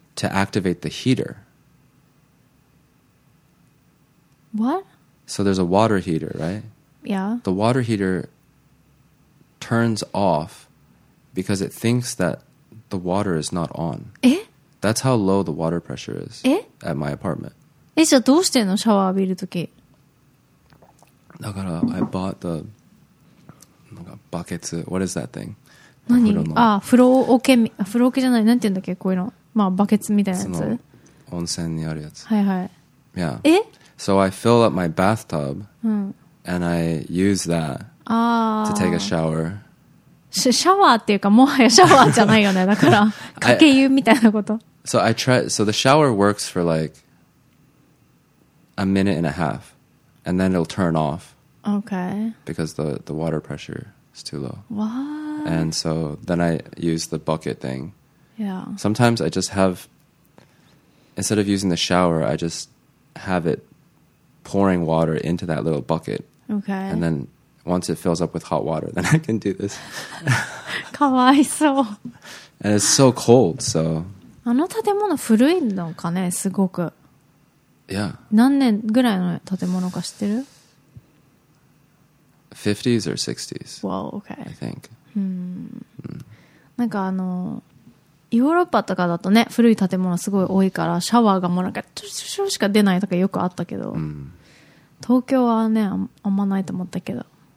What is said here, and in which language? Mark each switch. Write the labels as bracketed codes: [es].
[en] To activate the heater. What? So there's a water heater, right? Yeah. The water heater turns off because it thinks that the water is not on. Eh? That's how low the water pressure is eh? at my apartment. [ja] じゃあどうしてんの? シャワー浴びるとき。だから [en] I bought the [ja] なんかバケツ [en] What is that thing? [ja] 何あ風呂桶風呂桶じゃないなんて言うんだっけこういうのまあバケツみたいなやつその温泉にあるやつはいはい [en] Yeah え So I fill up my bathtub、うん、and I use that to take a shower [ja] シャワーっていうかもはやシャワーじゃないよねだからかけ湯みたいなこと [en] So I try So the shower works for like A minute and a half And then it'll turn off Okay Because the water pressure is too low What? And so then I use the bucket thing Yeah Sometimes I just have Instead of using the shower I just have it Pouring water into that little bucket Okay And thenOnce it fills up with hot water, then I can do this. [ja] かわいそう。 [en] And it's so cold, so. [ja] あの建物古いのかね、すごく。 [en] Yeah. [ja] 何年ぐらいの建物か知ってる [en] ?50s or 60s. Wow, okay. I think. [ja] なんかあの、ヨーロッパとかだとね、古い建物すごい多いから、シャワーがもうなんか、ちょちょちょしか出ないとかよくあったけど、東京はね、あんまないと思ったけど。